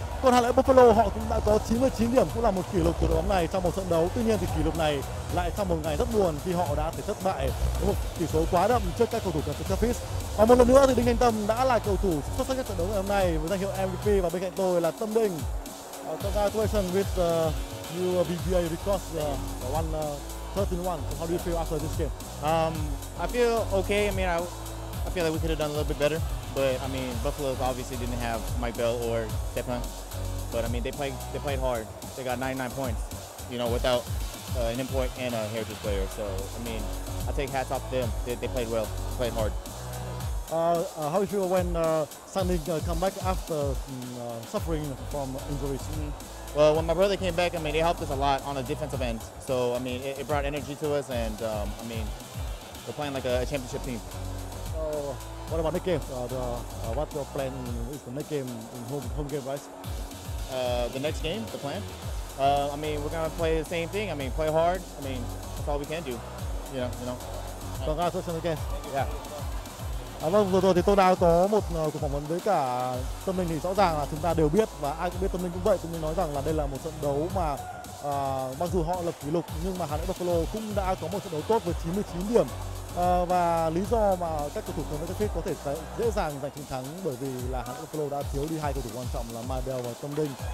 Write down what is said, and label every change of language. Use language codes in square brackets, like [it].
[vi] Còn Hà Nội Buffalo họ cũng đã có 99 điểm, cũng là một kỷ lục của đội bóng này trong một trận đấu. Tuy nhiên thì kỷ lục này lại trong một ngày rất buồn khi họ đã phải thất bại một tỷ số quá đậm trước các cầu thủ Cần Mơ Cafes. Và một lần nữa thì Đinh Thanh Tâm đã là cầu thủ xuất sắc nhất trận đấu ngày hôm nay với danh hiệu MVP, và bên cạnh tôi là Tâm Đình. [en] So guys, question with the new BBA record, one 13-1. So how do you feel after this game? I feel okay. I mean, I feel like we could have done a little bit better. But I mean, Buffalo obviously didn't have Mike Bell or Step Hunt. But I mean, they played hard. They got 99 points, you know, without an import and a heritage player. So I mean, I take hats off to them. They played well, played hard. How do you feel when Sanding come back after suffering from injuries? Well, when my brother came back, I mean, it helped us a lot on the defensive end. So I mean, it brought energy to us, and I mean, we're playing like a championship team. So what about next game? What's your plan is the next game in home game, right? The next game, the plan. I mean, we're gonna play the same thing. I mean, play hard. I mean, that's all we can do. You know. Congratulations again. Yeah. [vi] Vâng, vừa rồi thì tôi đã có một cuộc phỏng vấn với cả Tân Minh, thì rõ ràng là chúng ta đều biết và ai cũng biết Tân Minh cũng vậy. Tân Minh nói rằng là đây là một trận đấu mà mặc dù họ lập kỷ lục nhưng mà Hà Nội Buffalo cũng đã có một trận đấu tốt với 99 điểm. Và lý do mà các cầu thủ của Manchester City có thể dễ dàng giành chiến thắng bởi vì là Hà Nội Buffalo đã thiếu đi hai cầu thủ quan trọng là Mike Bell và Tân Minh.